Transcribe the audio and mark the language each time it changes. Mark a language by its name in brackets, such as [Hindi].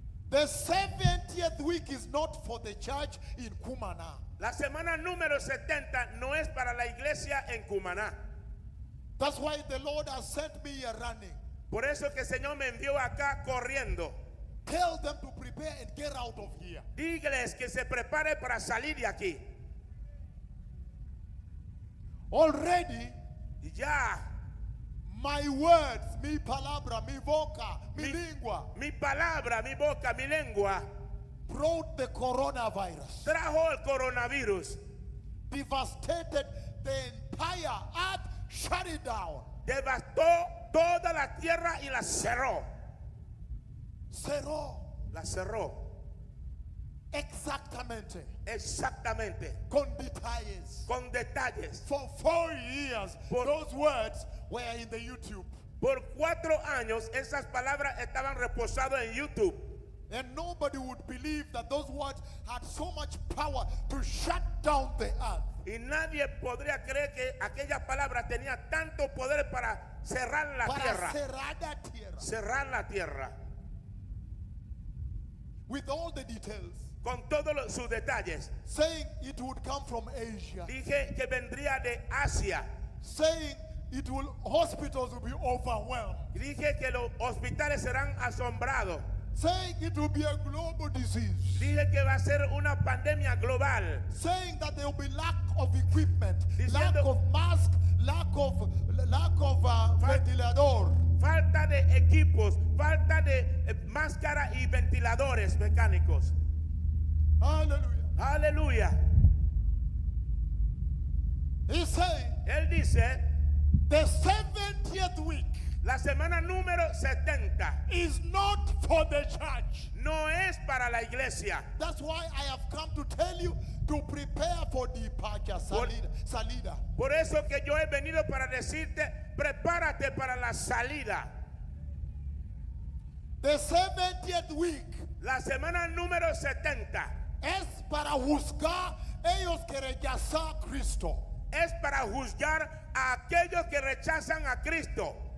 [English] The 70th week is not for the church in Cumaná. [Spanish] La semana número 70 no es para la iglesia en Cumaná. [English] That's why the Lord has sent me here running. [Spanish] Por eso que el Señor me envió acá corriendo. [English] Tell them to prepare and get out of here. [Spanish] Dígales que se prepare para salir de aquí. [English] Already, [Spanish] ya. [English] My words, [Spanish] mi palabra, mi boca, mi lengua. Mi palabra, mi boca, mi lengua. [English] Brought the coronavirus. [Spanish] Trajo el coronavirus. [English] Devastated the entire earth, shut it down. [Spanish] Devastó toda la tierra y la cerró. Cerró. La cerró. Exactamente. Exactamente. Con detalles. Con detalles. [English] For 4 years, por, those words were in the YouTube. [Spanish] Por 4 años, esas palabras estaban reposadas en YouTube. [English] And nobody would believe that those words had so much power to shut down the earth. [Spanish] Y nadie podría creer que aquella palabra tenía tanto poder para cerrar la tierra. Cerrar la tierra. [English] With all the details. [Spanish] Con todos sus detalles. [English] Saying it would come from Asia. [Spanish] Dije que vendría de Asia. [English] Saying it will, hospitals will be overwhelmed. [Spanish] Dije que los hospitales serán asombrados. [English] Saying it will be a global disease. [Spanish] Dije que va a ser una pandemia global. [English] Saying that there will be lack of equipment, lack of masks, lack of ventilador. [Spanish] Falta de equipos, falta de máscara y ventiladores mecánicos. [English] Hallelujah. Hallelujah. [Spanish] Él dice, [English] the 70th week. [Spanish] La semana número 70 [English] is not for the church. [Spanish] No es para la iglesia. [English] That's why I have come to tell you to prepare for departure, salida. [Spanish] Por eso que yo he venido para decirte, prepárate para la salida. [English] The 70th week. [Spanish] La semana número 70 es para juzgar ellos que rechazan a Cristo. Es para juzgar a aquellos que rechazan a Cristo.